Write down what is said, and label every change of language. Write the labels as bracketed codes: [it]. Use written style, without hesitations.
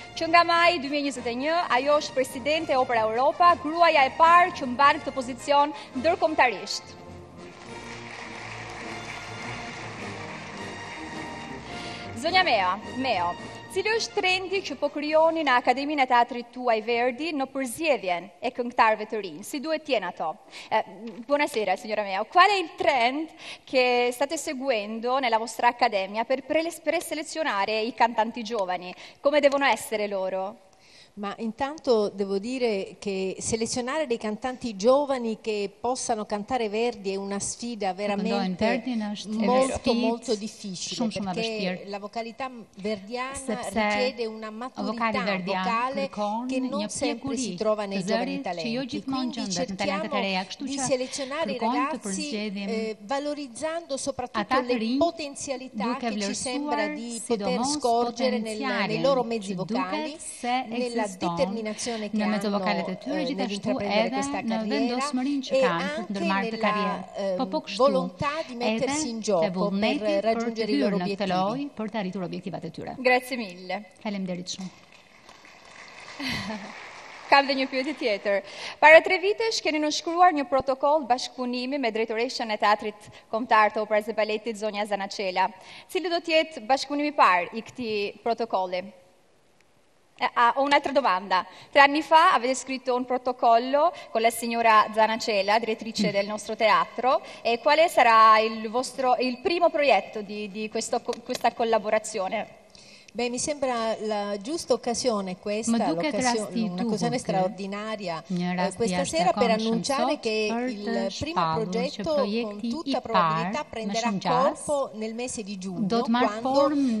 [sq] Që nga maji 2021, ajo është presidente e Opera Europa, gruaja e parë që mban këtë pozicion ndërkombëtarisht. Zonja Meo, cili është trendi që po krijoni në Akademinë e Teatrit tuaj Verdi në përzjedhjen e këngëtarëve të rinj? Si duhet t'jen ato? [it] Buonasera, signora Meo. Qual è il trend che state seguendo nella vostra accademia per preselezionare i cantanti giovani? Come devono essere loro? Ma intanto devo dire che selezionare dei cantanti giovani che possano cantare Verdi è una sfida veramente molto molto difficile, perché la vocalità verdiana richiede una maturità vocale che non sempre si trova nei giovani talenti. Quindi cerchiamo di selezionare i ragazzi valorizzando soprattutto le potenzialità che ci sembra di poter scorgere nei loro mezzi vocali, nella determinazione che hanno nell'intraprendere questa carriera e anche nella volontà di mettersi in gioco per raggiungere i loro obiettivi. Grazie mille. [sq] Faleminderit shumë. Kam dhe një pyetje tjetër. Para tre vitesh keni nënshkruar një protokoll bashkëpunimi me drejtoreshën e Teatrit Kombëtar të Operës dhe Baletit Zonja Zanacela. Cili do tjetë bashkëpunimi par i këti protokolli? [it] Ho un'altra domanda. Tre anni fa avete scritto un protocollo con la signora Zanacela, direttrice del nostro teatro, e quale sarà il primo proietto di questa collaborazione? Beh, mi sembra la giusta occasione questa, un'occasione straordinaria questa sera per annunciare che il primo progetto con tutta probabilità prenderà corpo nel mese di giugno, quando